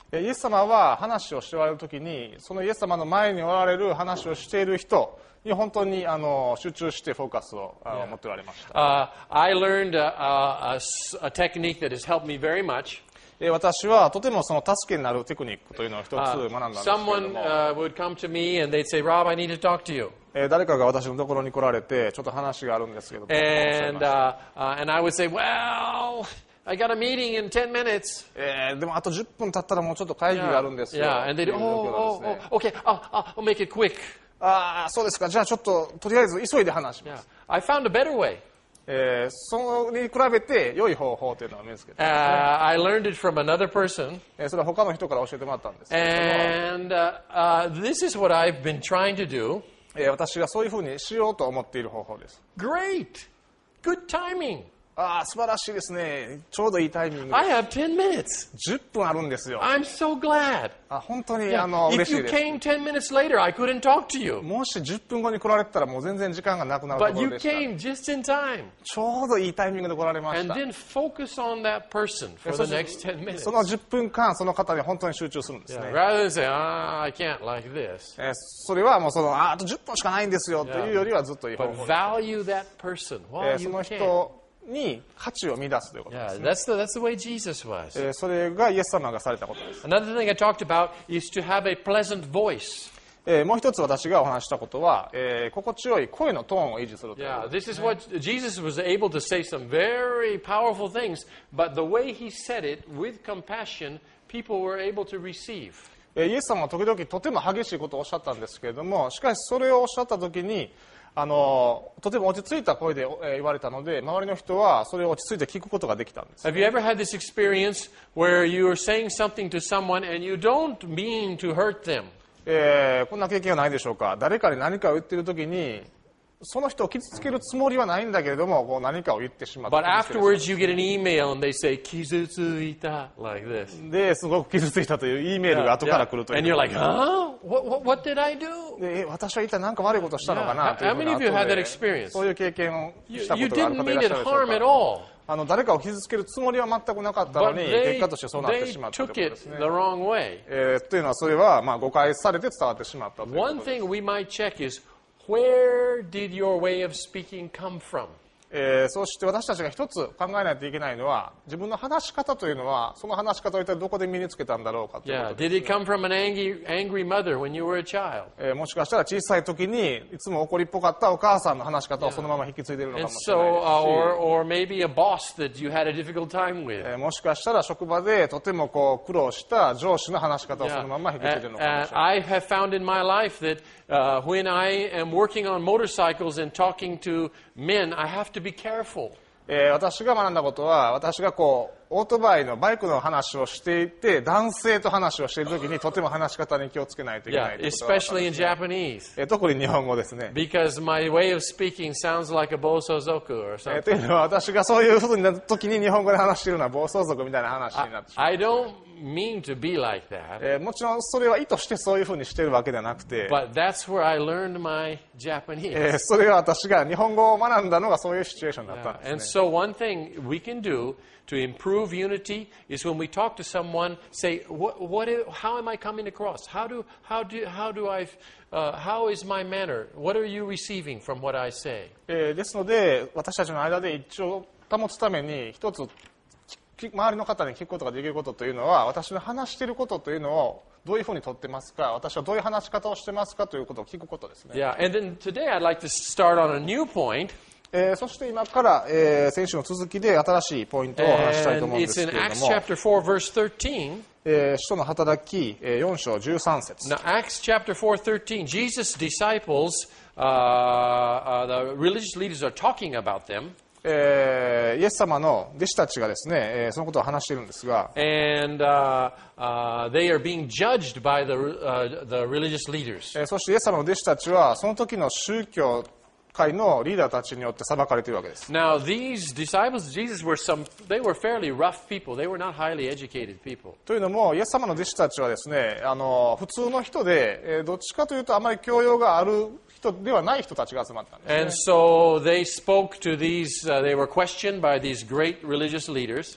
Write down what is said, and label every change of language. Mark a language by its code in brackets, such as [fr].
[ja] イエス様は話をしておられる時に、そのイエス様の前におられる話をしている人に本当に集中してフォーカスを持っておられました。 [en] I learned a technique that has helped me very much. [ja] 私はとてもその助けになるテクニックというのを一つ学んだんですけれども。 [en] Someone would come to me and they'd say, Rob, I need to talk to you. [ja] 誰かが私のところに来られて、ちょっと話があるんですけど。 [en] And I would say, well, I got a meeting in 10 minutes. [ja] でもあと10分経ったらもうちょっと会議があるんですよ。 [en] Yeah, and they'd, oh, okay, I'll make it quick. [ja] そうですか。じゃあちょっととりあえず急いで話します。 [en] Yeah. I found a better way. [ja] それに比べて良い方法というのは見つけた、ね。 [en] I learned it from another person. [ja] それは他の人から教えてもらったんです。 [en] And this is what I've been trying to do. [ja] 私がそういうふうにしようと思っている方法です。 [en] Great! Good timing! [ja] 素晴らしいですね。ちょうどいいタイミング。 [en] I have 10 minutes. [ja] 10分あるんですよ。 [en] I'm so glad. [ja] 本当に嬉しいです。 [en] If you came 10 minutes later, I couldn't talk to you. [ja] もし10分後に来られてたらもう全然時間がなくなるところでした。 [en] But you came just in time. [ja] ちょうどいいタイミングで来られました。 [en] And then focus on that person for the next 10 minutes. [ja] その10分間その方に本当に集中するんですね。 [en] Rather than say, I can't like this. [ja] それはもうあと10分しかないんですよというよりはずっといい方法です。 [en] But value that person while you can. [ja] に価値を見出すということですね。 [en] Yeah, that's the way Jesus was. [ja] それがイエス様がされたことです。 [en] Another thing I talked about is to have a pleasant voice. [ja] もう一つ私がお話したことは、心地よい声のトーンを維持するということですね。 [en] Yeah, this is what Jesus was able to say some very powerful things, but the way he said it with compassion, people were able to receive. [ja] イエス様は時々とても激しいことをおっしゃったんですけれども、しかしそれをおっしゃったときに、とても落ち着いた声で言われたので、周りの人はそれを落ち着いて聞くことができたんです。 [en] Have you ever had this experience where you're saying something to someone and you don't mean to hurt them? [ja] こんな経験はないでしょうか。誰かに何かを言っているときに、その人を傷つけるつもりはないんだけれども、こう何かを言ってしまった。 [en] But afterwards you get an email and they say, [ja] 傷ついた、 [en] like this. [ja] で、すごく傷ついたという E メールが後から来るという。 [en] Yeah. And you're like, huh? What did I do? [ja] 私は一体何か悪いことしたのかなというふうな後で。 [en] How many of you had that experience? [ja] そういう経験をしたことがある方いらっしゃるでしょうか。 [en] You didn't mean it harm at all. [ja] 誰かを傷つけるつもりは全くなかったのに、結果としてそうなってしまったということですね。 [en] They took it the wrong way. [ja] というのはそれは、誤解されて伝わってしまったということです。 [en] One thing we might check is, where did your way of speaking come from? [ja] そして私たちが一つ考えないといけないのは、自分の話し方というのは、その話し方を一体どこで身につけたんだろうかということです。 [en] Yeah, did it come from an angry mother when you were a child? [ja] もしかしたら小さい時にいつも怒りっぽかったお母さんの話し方をそのまま引き継いでいるのかもしれないですし。 [en] Or maybe a boss that you had a difficult time with. [ja] もしかしたら職場でとてもこう苦労した上司の話し方をそのまま引き継いでいるのかもしれない。 [en] I have found in my life that when I am working on motorcycles and talking to men, I have to be careful. [ja] 私が学んだことは、私がこうオートバイのバイクの話をしていて、男性と話をしているときにとても話し方に気をつけないといけない。 [en] Especially in Japanese. [ja] 特に日本語ですね。 [en] Because my way of speaking sounds like a 暴走族 or something. [ja] というのは、私がそういうふうになったときに日本語で話しているのは暴走族みたいな話になってしまう。 [en] I don't mean to be like that. [ja] もちろんそれは意図してそういうふうにしているわけではなくて。 [en] But that's where I learned my Japanese. [ja] それは私が日本語を学んだのがそういうシチュエーションだったんですね。 [en] And so one thing we can do. To improve unity is when we talk to someone, say, how am I coming across? How is my manner? What are you receiving from what I say? [ja] ですので、私たちの間で一致を保つために、一つ、周りの方に聞くことができることというのは、私の話していることというのをどういうふうに取ってますか、私はどういう話し方をしてますかということを聞くことですね。 [en] Yeah, and then today I'd like to start on a new point. [ja] そして今から、先週の続きで新しいポイントを話したいと思うんですけれども、 [en] Acts chapter 4, verse 13. [ja] 使徒の働き、4章13節。 [en] Now, Acts chapter 4:13, Jesus' disciples, the religious leaders are talking about them. [ja] イエス様の弟子たちがですね、そのことを話しているんですが、 [en] And, they are being judged by the religious leaders. [ja] そしてイエス様の弟子たちはその時の宗教会のリーダーたちによって裁かれているわけです。 [en] Now these disciples of Jesus were some, they were fairly rough people. They were not highly educated people. [ja] というのも、イエス様の弟子たちはですね、普通の人で、どっちかというとあまり教養がある人ではない人たちが集まったんですね。 [en] And so they spoke to these, they were questioned by these great religious leaders.